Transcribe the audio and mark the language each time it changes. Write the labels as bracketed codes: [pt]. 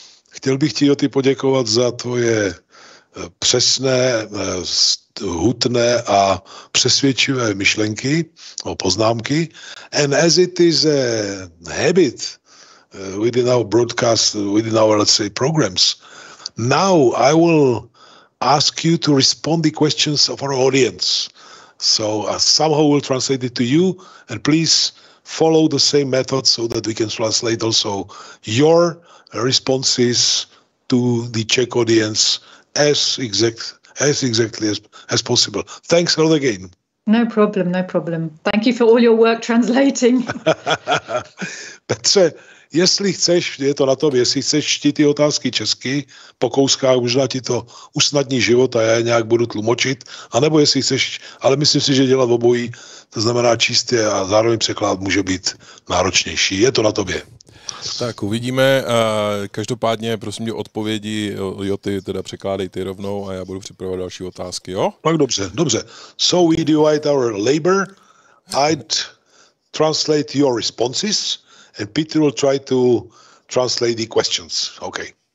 [cs] Chtěl bych ti, Joti, poděkovat za tvoje přesné, hutné a přesvědčivé myšlenky o poznámky. [en] And as it is a habit within our broadcast, within our, let's say, programs, now I will ask you to respond the questions of our audience. So somehow we'll translate it to you, and please follow the same method so that we can translate also your responses to the Czech audience as exactly as possible. Thanks a lot again. No problem. Thank you for all your work translating. [cs] Petře, jestli chceš, je to na tom, jestli chceš čtit ty otázky česky, po kouskách, možná ti to usnadní život a já je nějak budu tlumočit, anebo jestli chceš, ale myslím si, že dělat obojí, to znamená číst je a zároveň překlad může být náročnější. Je to na tobě. Tak uvidíme. Každopádně prosím tě odpovědi, Joti, teda překládej ty rovnou a já budu připravovat další otázky, jo? Tak dobře. [en] So we divide our labor, I'd translate your responses and Peter will try to translate the questions, okay?